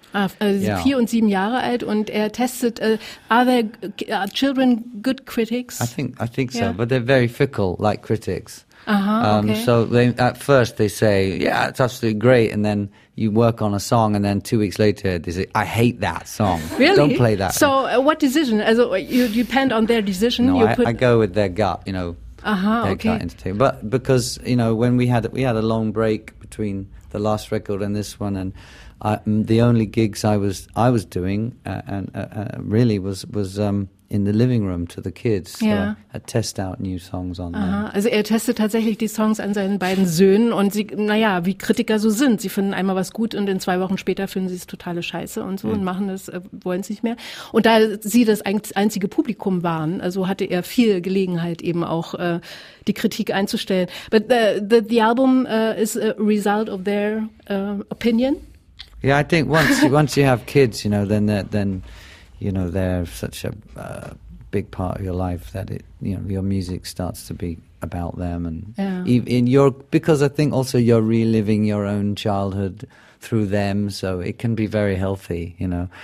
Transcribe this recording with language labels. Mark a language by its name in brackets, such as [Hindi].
[German] Vier und sieben Jahre alt, und er testet. [English] Are children good critics? I think so, but they're very fickle, like critics. Uh-huh, So they, at first they say, yeah, it's absolutely great, and then you work on a song, and then 2 weeks later they say, I hate that song. Really? Don't play that. So what decision? Also you depend on their decision? No, you I go with their gut, you know. Gut entertainment. But because, you know, when we had a long break between the last record and this one, and the only gigs I was doing really was in the living room to the kids. Yeah. So I test out new songs on there. [German] Also er testet tatsächlich die Songs an seinen beiden Söhnen, und sie, naja, wie Kritiker so sind. Sie finden einmal was gut und in zwei Wochen später finden sie es totale Scheiße und so, und machen das, wollen sie nicht mehr. Und da sie das einzige Publikum waren, also hatte er viel Gelegenheit eben auch die Kritik einzustellen. [English] But the album is a result of their opinion? Yeah, I think once you have kids, you know, then you know, they're such a big part of your life that it, you know, your music starts to be about them. And because I think also you're reliving your own childhood through them, so it can be very healthy, you know.